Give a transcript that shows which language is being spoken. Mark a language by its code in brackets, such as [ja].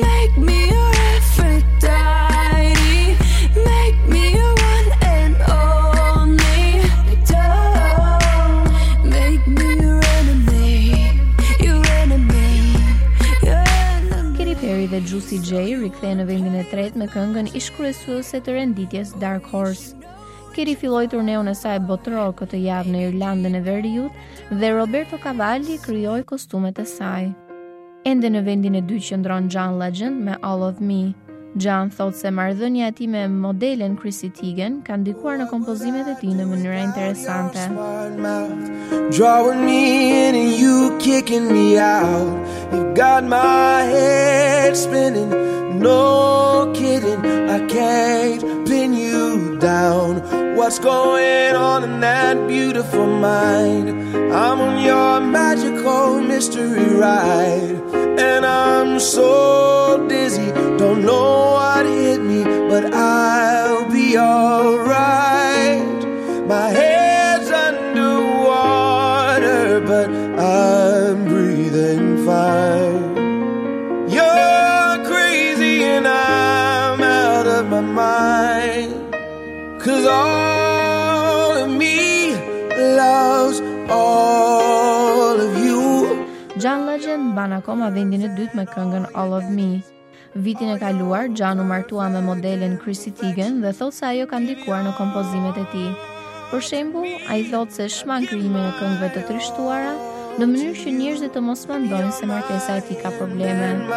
[en] Make me your Aphrodite, make me your one and only. Don't make me your enemy, your enemy, your enemy. [sq] Katy Perry dhe Juicy J rikthehen në vendin e tretë me këngën ishkryesuese të renditjes Dark Horse. Katy filloi turneun e saj botëror këtë javë në Irlandën e Veriut dhe Roberto Cavalli krijoi kostumet e saj. Ende në vendin e 2 qëndron John Legend me All of Me. John thot se marrëdhënia e tij me modelen Chrissy Teigen ka ndikuar në kompozimet e tij në mënyra interesante. [en] Drawing me in and you kicking me out. You got my head spinning. No kidding, I can't pin you down. What's going on in that beautiful mind? I'm on your magical mystery ride, and I'm so dizzy, don't know what hit me, but I'll be alright. My head's underwater, but I'm breathing fine. You're crazy and I'm out of my mind, cause all of me loves all of you. [sq] John Legend ban akoma vendin e dytë me këngën All of Me. Vitin e kaluar, John u martua me modelen Chrissy Teigen dhe thot se ajo ka ndikuar në kompozimet e tij. Për shembull, ai thot se shmang krijimin e këngëve të trishtuara në mënyrë që njerëzit të mos mendojnë se martesa e tij ka probleme.